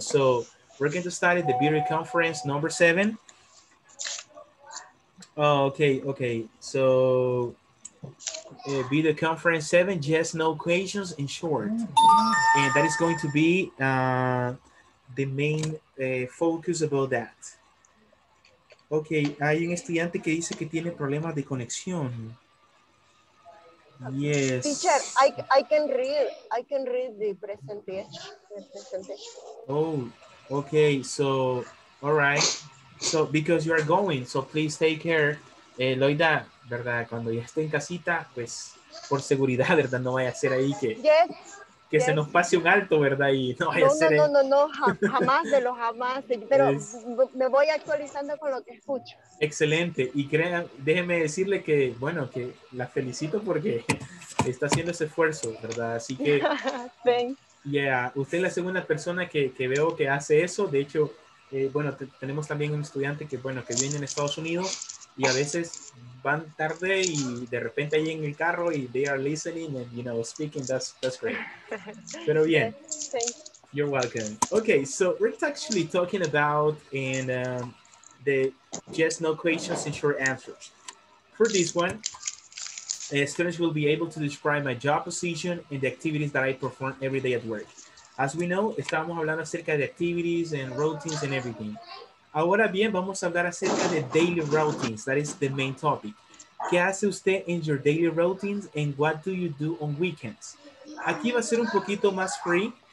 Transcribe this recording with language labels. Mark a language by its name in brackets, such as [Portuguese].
[English] So we're going to start at the Beauty Conference number 7. Oh, okay, okay. So Beauty Conference 7, yes, no questions in short. And that is going to be the main focus about that. [Spanish] Ok, hay un estudiante que dice que tiene problemas de conexión. [English] Yes. Teacher, I can read the presentation. Oh, ok, so, all right. So, because you are going, so please take care. [Spanish] Loida, ¿verdad? Cuando ya esté en casita, pues, por seguridad, ¿verdad? No vaya a ser ahí que... [English] Yes. [Spanish] Que yes. Se nos pase un alto, ¿verdad? Y no, vaya no, a ser no, no, no, jamás de lo jamás. Pero es... me voy actualizando con lo que escucho. Excelente. Y crean, déjeme decirle que, bueno, que la felicito porque está haciendo ese esfuerzo, ¿verdad? Así que... Yeah, usted es la segunda persona que veo que hace eso. De hecho, bueno, tenemos también un estudiante que, bueno, que viene en Estados Unidos y a veces van tarde y de repente ahí en el carro y [English] they are listening and, you know, speaking, that's great. [Spanish] Pero bien, [English] yes, you're welcome. Okay, so we're actually talking about in the yes, no questions and short answers. For this one, students will be able to describe my job position and the activities that I perform every day at work. As we know, [Spanish] estábamos hablando acerca de [English] activities and routines and everything. [Spanish] Ahora bien, vamos a hablar acerca de daily routines. [English] That is the main topic. [Spanish] ¿Qué hace usted en [English] your daily routines and what do you do on weekends? [Spanish] Aquí va a ser un poquito más free.